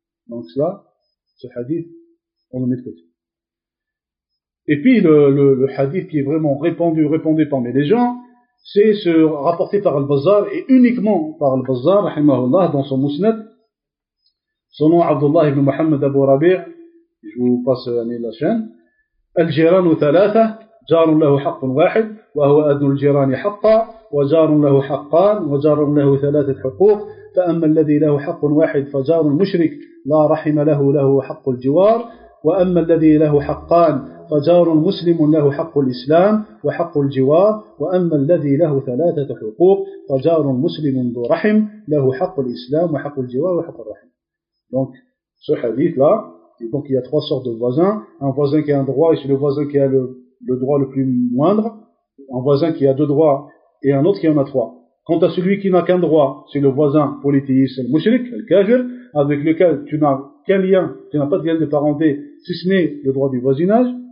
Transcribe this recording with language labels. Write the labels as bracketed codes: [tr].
[fr] Donc cela, ce hadith, on le met de côté. Et puis le hadith qui est vraiment répandu parmi les gens, c'est ce rapporté par al-Bazzar et uniquement par al-Bazzar, rahimahullah, dans son musnad. Son nom, Abdullah ibn Muhammad Abu Rabi', je vous passe la chaîne. [ar] Al-Jiran al-Thalatha. جار له حق واحد وهو أذن الجيران حقا وجار له حقان وجار له ثلاثة حقوق فأما الذي له حق واحد فجار مشرك لا رحم له له حق الجوار وأما الذي له حقان فجار مسلم له حق الإسلام وحق الجوار وأما الذي له ثلاثة حقوق فجار مسلم ذو رحم له حق الإسلام وحق الجوار وحق الرحم. [fr] Donc ce hadith là, donc il y a trois sortes de voisins, un voisin qui a un droit et c'est le voisin qui a le droit le plus moindre, un voisin qui a deux droits et un autre qui en a trois. Quant à celui qui n'a qu'un droit, c'est le voisin polythéiste, le mushrik, le kafir, avec lequel tu n'as qu'un lien, tu n'as pas de lien de parenté, si ce n'est le droit du voisinage.